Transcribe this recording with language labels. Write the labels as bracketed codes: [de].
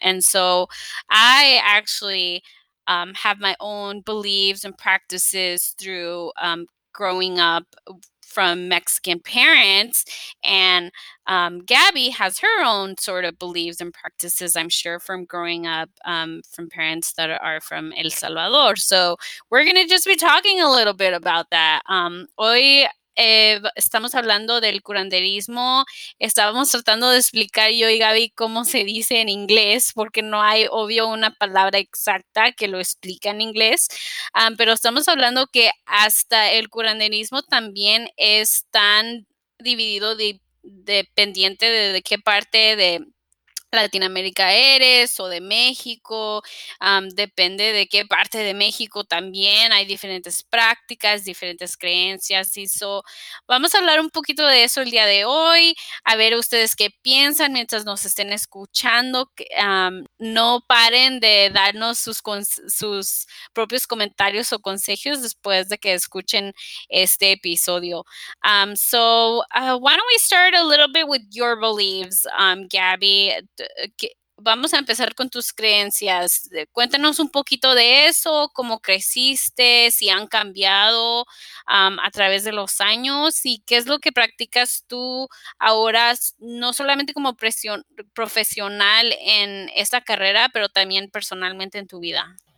[en] And so I actually have my own beliefs and practices through growing up from Mexican parents, and Gabby has her own sort of beliefs and practices, I'm sure, from growing up from parents that are from El Salvador. So we're going to just be talking a little bit about that. [es] Hoy estamos hablando del curanderismo. Estábamos tratando de explicar yo y Gabby cómo se dice en inglés, porque no hay, obvio, una palabra exacta que lo explique en inglés. Pero estamos hablando que hasta el curanderismo también es tan dividido dependiente de qué parte de Latinoamérica eres o de México, depende de qué parte de México también, hay diferentes prácticas, diferentes creencias, y so vamos a hablar un poquito de eso el día de hoy, a ver ustedes qué piensan mientras nos estén escuchando, no paren de darnos sus propios comentarios o consejos después de que escuchen este episodio. [en] So why don't we start a little bit with your beliefs, Gabby. [es] vamos a empezar con tus creencias. Cuéntanos un poquito de eso, cómo creciste, si han cambiado a través de los años y qué es lo que practicas tú ahora, no solamente como profesional en esta carrera, pero también personalmente en tu vida.